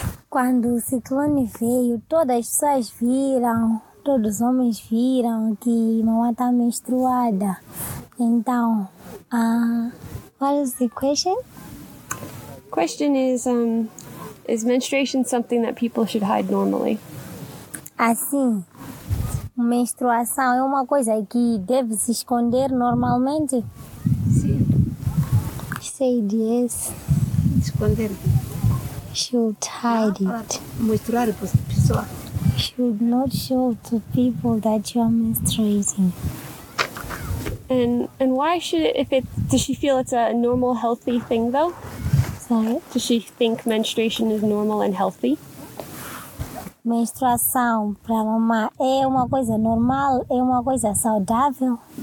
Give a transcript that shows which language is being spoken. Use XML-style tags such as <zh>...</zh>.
<pt>Quando o ciclone veio, todas as pessoas viram, todos os homens viram que mamãe está menstruada. Então,</pt> <en>what is the question? Question is menstruation something that people should hide normally?</en> <pt>Assim, menstruação é uma coisa que deve se esconder normalmente? Sim.</pt> <en>Say yes.</en> <pt>Esconder.</pt> <en>Should hide it.</en> <pt>Mostrar para a pessoa.</pt> <en>Should not show to people that you are menstruating. And why should it, does she feel it's a normal, healthy thing though? Sorry? Does she think menstruation is normal and healthy?</en> <pt>Menstruação para a mamãe é uma coisa normal, é uma coisa saudável.</pt>